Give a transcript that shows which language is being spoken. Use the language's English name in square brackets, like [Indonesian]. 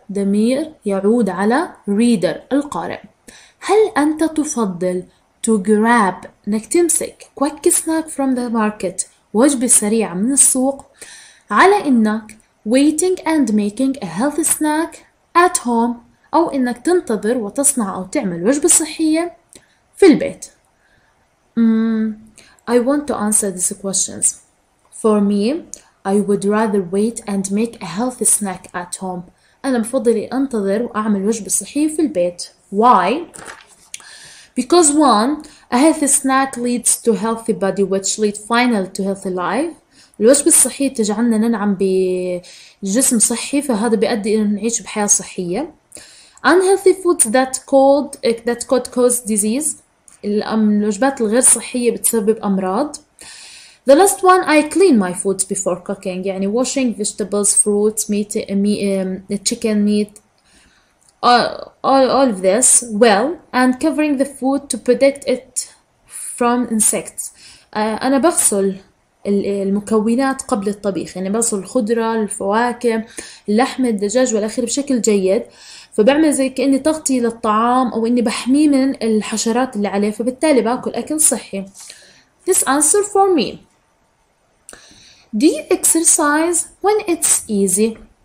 [Arabic] ضمير يعود على reader, القارئ. هل أنت تفضل [English] to grab, [Arabic] أنك تمسك [English] quick snack from the market, [Arabic] وجبة سريعة من السوق, على أنك [English] waiting and making a healthy snack at home, [Arabic] أو أنك تنتظر وتصنع أو تعمل وجبة صحية في البيت؟ [English] I want to answer these questions. For me, I would rather wait and make a healthy snack at home. [Arabic] أنا بفضل أنتظر وأعمل وجبة صحية في البيت. [English] Why? Because one, a healthy snack leads to healthy body, which leads finally to healthy life. [Arabic] الوجبة الصحية تجعلنا ننعم بجسم صحي، فهذا بيؤدي إلى نعيش بحياة صحية. [English] Unhealthy foods that could cause disease. [Arabic] الوجبات الغير صحية بتسبب أمراض. [English] The last one, I clean my foods before cooking. يعني washing vegetables, fruits, meat, chicken meat, all of this well, and covering the food to protect it from insects. [Arabic] أنا بغسل المكونات قبل الطبيخ، يعني بغسل الخضرة، الفواكه، اللحم، الدجاج والأخير بشكل جيد، فبعمل زي كأني تغطي للطعام أو أني بحمي من الحشرات اللي عليه، فبالتالي بأكل أكل صحي. [English] This answer for me. Do you exercise when it's easy?